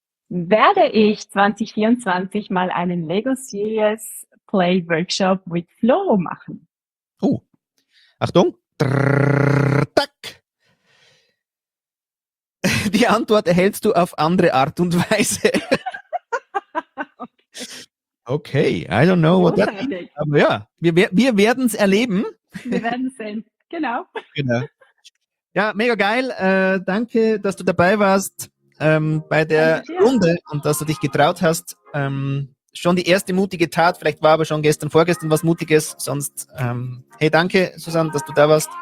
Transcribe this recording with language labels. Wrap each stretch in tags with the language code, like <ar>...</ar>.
<de>Werde ich 2024 mal einen Lego Serious Play Workshop</de> <en>with</en> <de>Flo machen? Oh. Achtung, tack. Die Antwort erhältst du auf andere Art und Weise.</de> <en>Okay, I don't know what that is.</en> <de>Aber ja, wir werden es erleben. Wir werden es sehen, genau. Genau. Ja, mega geil. Danke, dass du dabei warst bei der Runde und dass du dich getraut hast. Schon die erste mutige Tat, vielleicht war aber schon gestern, vorgestern was Mutiges, sonst hey, danke, Susanne, dass du da warst.</de>